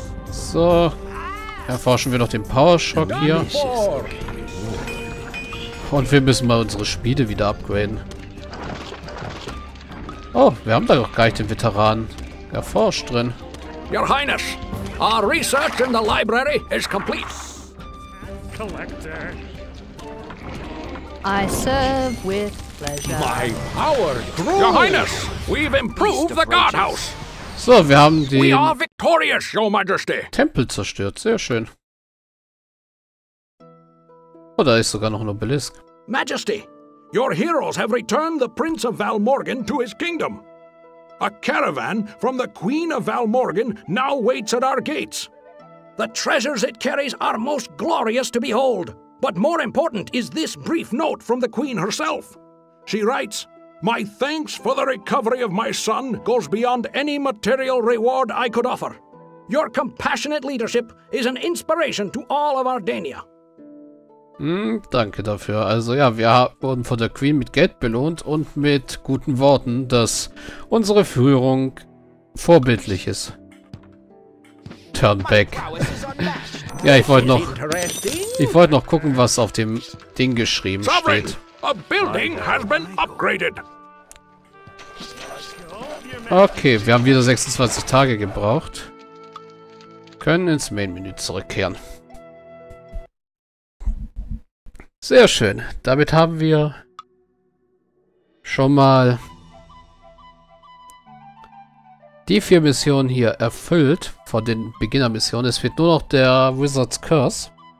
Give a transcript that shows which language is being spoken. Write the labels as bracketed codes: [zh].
[de] So, erforschen wir noch den Power Shock hier. Und wir müssen mal unsere Spiele wieder upgraden. Oh, wir haben da doch gleich den Veteranen erforscht drin. [en] Your Highness, our research in the library is complete. Collector. I serve with pleasure. My power grows. Your Highness, we've improved the guardhouse. [de] So, wir haben den [en] We are victorious, Your Majesty. [de] Tempel zerstört. Sehr schön. Oh, da ist sogar noch ein Obelisk. [en] Majesty. Your heroes have returned the Prince of Valmorgan to his kingdom. A caravan from the Queen of Valmorgan now waits at our gates. The treasures it carries are most glorious to behold. But more important is this brief note from the Queen herself. She writes, "My thanks for the recovery of my son goes beyond any material reward I could offer. Your compassionate leadership is an inspiration to all of Ardania." [de] Danke dafür. Also ja, wir wurden von der Queen mit Geld belohnt und mit guten Worten, dass unsere Führung vorbildlich ist. [en] Turn back. [de] Ja, ich wollte noch gucken, was auf dem Ding geschrieben steht. [en] A building has been upgraded. [de] Okay, wir haben wieder 26 Tage gebraucht. Können ins Main-Menü zurückkehren. Sehr schön. Damit haben wir schon mal die 4 Missionen hier erfüllt von den Beginner-Missionen. Es fehlt nur noch der Wizard's Curse.